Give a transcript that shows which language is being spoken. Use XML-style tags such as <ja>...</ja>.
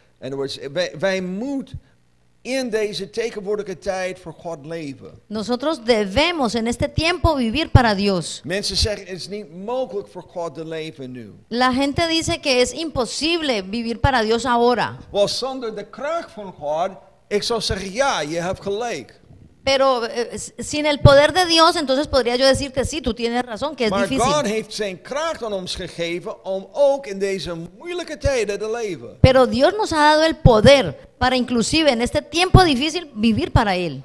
<en>In other words,</en> <nl>wij moeten in deze tegenwoordige tijd voor God leven.</nl> <es>Nosotros debemos en este tiempo vivir para Dios.</es> <nl>Mensen zeggen, het is niet mogelijk voor God te leven nu.</nl> <es>La gente dice que es imposible vivir para Dios ahora.</es> <nl>Well, zonder de kracht van God, ik zou zeggen, ja, je hebt gelijk.</nl> <es>Pero sin el poder de Dios, entonces podría yo decirte, sí, tú tienes razón, que es</es> <nl>maar</nl> <es>difícil.</es> <nl>God heeft zijn kracht aan ons gegeven om ook in deze moeilijke tijden te leven.</nl> <es>Pero Dios nos ha dado el poder para inclusive en este tiempo difícil vivir para Él.</es>